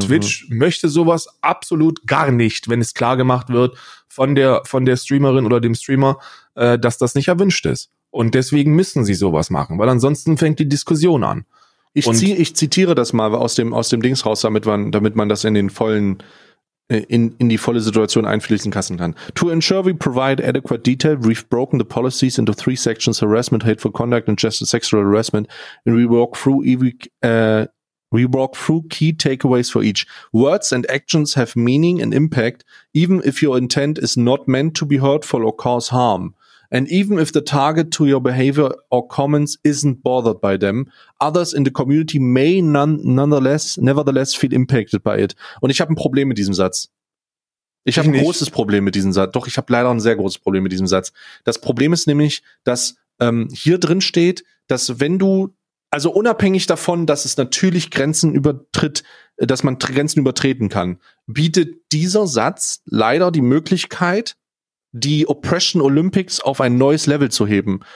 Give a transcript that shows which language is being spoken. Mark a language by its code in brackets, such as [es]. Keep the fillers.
[de] Twitch möchte sowas absolut gar nicht, wenn es klar gemacht wird von der, von der Streamerin oder dem Streamer, äh, dass das nicht erwünscht ist. Und deswegen müssen sie sowas machen, weil ansonsten fängt die Diskussion an. Ich, Und- zieh, ich zitiere das mal aus dem, aus dem Dings raus, damit man, damit man das in den vollen, äh, in, in die volle Situation einfließen lassen kann. [en] To ensure we provide adequate detail, we've broken the policies into three sections, harassment, hateful conduct and just sexual harassment, and we walk through every, uh, we walk through key takeaways for each. Words and actions have meaning and impact, even if your intent is not meant to be hurtful or cause harm. And even if the target to your behavior or comments isn't bothered by them, others in the community may none, nonetheless, nevertheless feel impacted by it. [de] Und ich habe ein Problem mit diesem Satz. Ich habe Ich ein nicht. großes Problem mit diesem Satz. Doch, ich habe leider ein sehr großes Problem mit diesem Satz. Das Problem ist nämlich, dass ähm, hier drin steht, dass wenn du, also unabhängig davon, dass es natürlich Grenzen übertritt, äh, dass man tr- Grenzen übertreten kann, bietet dieser Satz leider die Möglichkeit, die Oppression Olympics auf ein neues Level zu heben.